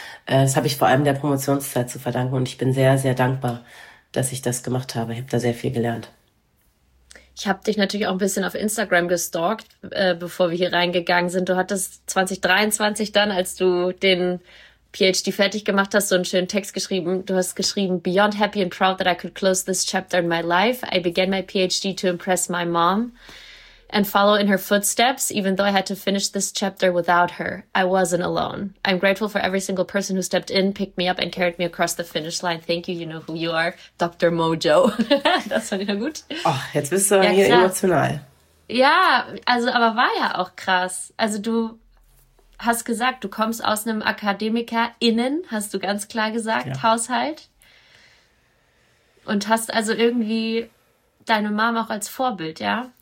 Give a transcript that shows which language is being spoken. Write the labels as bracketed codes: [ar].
[de] Das habe ich vor allem der Promotionszeit zu verdanken und ich bin sehr, sehr dankbar, dass ich das gemacht habe. Ich habe da sehr viel gelernt. Ich habe dich natürlich auch ein bisschen auf Instagram gestalkt, bevor wir hier reingegangen sind. Du hattest 2023 dann, als du den PhD fertig gemacht hast, so einen schönen Text geschrieben. Du hast geschrieben, [en] "Beyond happy and proud that I could close this chapter in my life, I began my PhD to impress my mom and follow in her footsteps, even though I had to finish this chapter without her. I wasn't alone. I'm grateful for every single person who stepped in, picked me up and carried me across the finish line. Thank you, you know who you are, Dr. [de] Mojo." Das fand ich ja gut. Ach, oh, jetzt bist du ja, hier klar. emotional. Ja, also aber war ja auch krass. Also du hast gesagt, du kommst aus einem AkademikerInnen, hast du ganz klar gesagt, ja. Haushalt. Und hast also irgendwie deine Mom auch als Vorbild, ja?